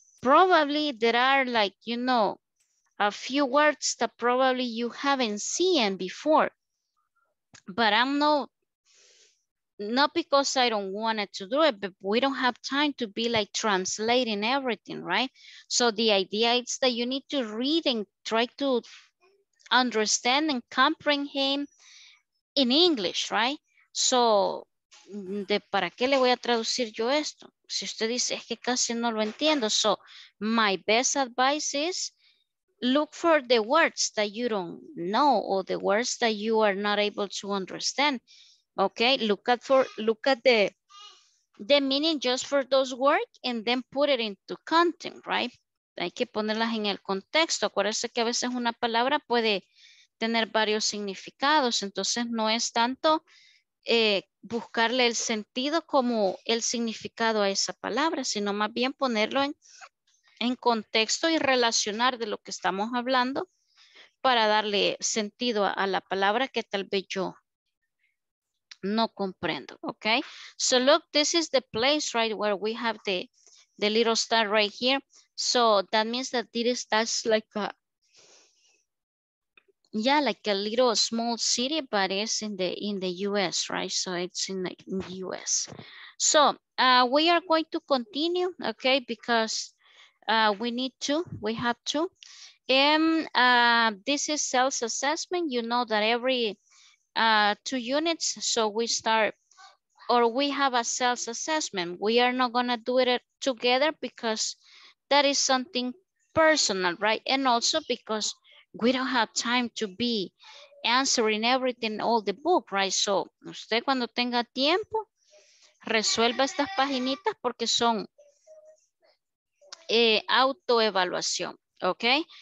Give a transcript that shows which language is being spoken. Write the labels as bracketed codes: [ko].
[en] Probably there are like, you know, a few words that probably you haven't seen before, but I'm not because I don't want it to do it, but we don't have time to be like translating everything, right? So the idea is that you need to read and try to understand and comprehend in English, right? [es] So, de para qué le voy a traducir yo esto? Si usted dice, es que casi no lo entiendo. [en] So, my best advice is look for the words that you don't know or the words that you are not able to understand. Okay, look at the meaning just for those words and then put it into content, right? [es] Hay que ponerlas en el contexto. Acuérdense que a veces una palabra puede tener varios significados. Entonces no es tanto buscarle el sentido como el significado a esa palabra, sino más bien ponerlo en contexto y relacionar de lo que estamos hablando para darle sentido a la palabra que tal vez yo no comprendo. [en] Okay? So look, this is the place right where we have the little star right here. So that means that this is, that's like a, yeah, like a little small city, but it's in the US, right? So it's in the US. So we are going to continue, okay? Because we have to. And this is self-assessment. You know that every two units, so we start, or we have a self-assessment. We are not gonna do it together because that is something personal, right? And also because we don't have time to be answering everything, all the book, right? [es] So, usted cuando tenga tiempo, resuelva estas paginitas porque son autoevaluación, okay?